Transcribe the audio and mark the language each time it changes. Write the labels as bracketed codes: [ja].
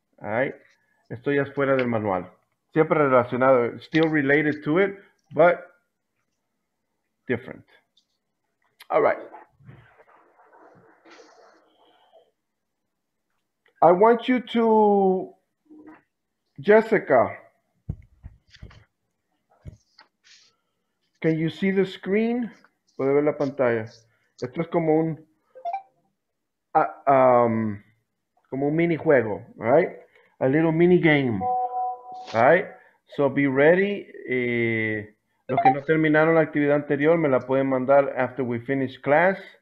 [en] All right, [es] esto ya es fuera del manual. Siempre relacionado, [en] still related to it, but different. All right. I want you to, Jessica, can you see the screen? [es] Puede ver la pantalla. Esto es como un mini juego, [en] all right? A little mini game, all right? So be ready. [es] Los que no terminaron la actividad anterior me la pueden mandar [en] after we finish class.